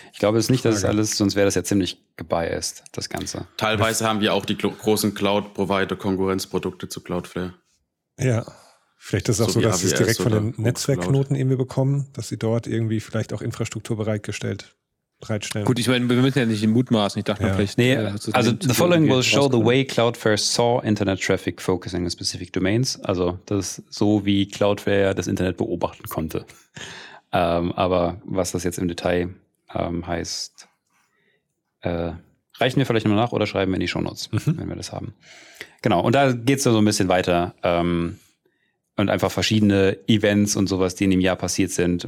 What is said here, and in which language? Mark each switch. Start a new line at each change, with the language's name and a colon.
German: Ich glaube es nicht, dass es alles, sonst wäre das ja ziemlich gebiased, das Ganze. Teilweise haben wir auch die großen Cloud-Provider-Konkurrenzprodukte zu Cloudflare. Ja. Vielleicht ist es auch so, dass sie es direkt von den Netzwerkknoten irgendwie bekommen, dass sie dort irgendwie vielleicht auch Infrastruktur bereitgestellt haben. Gut, ich meine, wir müssen ja nicht in mutmaßen. Ich dachte noch vielleicht. Nee, also
English: the following will show the way Cloudflare saw Internet traffic focusing on specific domains.
German: Also das ist so, wie Cloudflare das Internet beobachten konnte. Aber was das jetzt im Detail heißt, reichen wir vielleicht nochmal nach oder schreiben wir in die Shownotes, wenn wir das haben. Genau, und da geht es dann so ein bisschen weiter. Und einfach verschiedene Events und sowas, die in dem Jahr passiert sind.